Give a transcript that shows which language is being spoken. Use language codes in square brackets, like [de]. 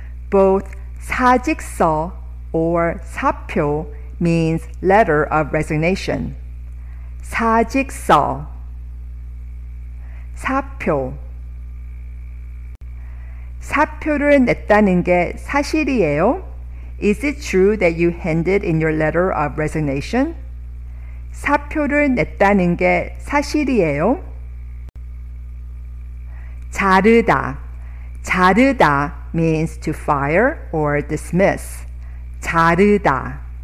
[en] Both 사직서 or 사표 means letter of resignation. [ko] 사직서, 사표. 사표를 냈다는 게 사실이에요? [en] Is it true that you handed in your letter of resignation? [ko] 사표를 냈다는 게 사실이에요? [en] 자르다. 자르다 means to fire or dismiss. [ko] 자르다.